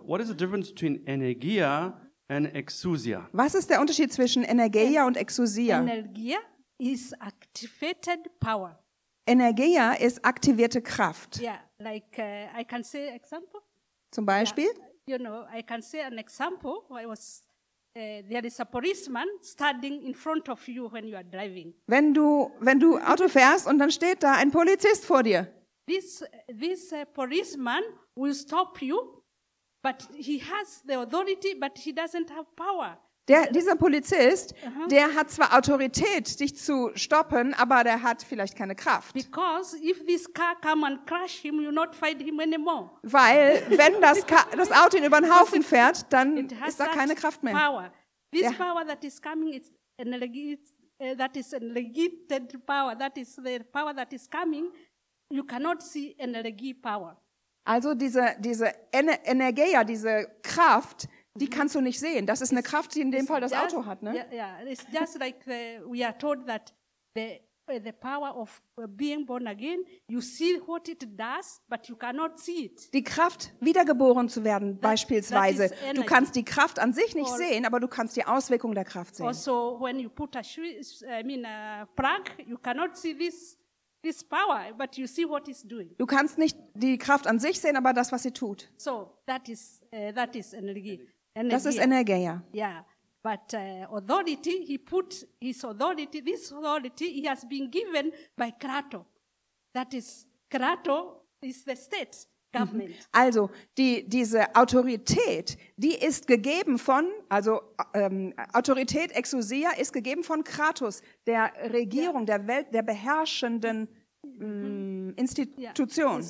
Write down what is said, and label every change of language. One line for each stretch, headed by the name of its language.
English: What is the difference between Energia and Exousia?
German: Was ist der Unterschied zwischen Energia und Exousia?
English: Energia is activated power.
German: Energia ist aktivierte Kraft.
English: Yeah, like I can say example.
German: Zum Beispiel?
English: Yeah, you know, I can say an example. I was there is a policeman standing in front of you when you are driving.
German: Wenn du Auto fährst und dann steht da ein Polizist vor dir.
English: This policeman will stop you, but he has the authority, but he doesn't have power.
German: Dieser Polizist, der hat zwar Autorität, dich zu stoppen, aber der hat vielleicht keine Kraft.
English: Because if this car come and crash him, you not fight him anymore.
German: Weil wenn das Auto ihn über den Haufen fährt, dann ist da keine Kraft mehr.
English: Power. This power that is coming is energy. That is energetic power. That is the power that is coming. You cannot see energy power.
German: Also diese Energia, diese Kraft, die kannst du nicht sehen. Das ist eine Kraft, die in dem Fall das Auto hat, ne?
English: Yeah, it's just like we are told that the power of being born again, you see what it does, but you cannot see it.
German: Die Kraft, wiedergeboren zu werden, beispielsweise. Du kannst die Kraft an sich nicht sehen, aber du kannst die Auswirkung der Kraft sehen.
English: Also, when you put a plug, you cannot see this power, but you see what it's doing.
German: Du kannst nicht die Kraft an sich sehen, aber das, was sie tut.
English: So, that is energy. Energy.
German: Das ist Energie, ja.
English: Yeah, but authority, he put his authority, this authority he has been given by Krato. That is, Krato is the state government.
German: Also, diese Autorität, die ist gegeben von, also Autorität, Exousia, ist gegeben von Kratos, der Regierung, der Welt, der beherrschenden Institution.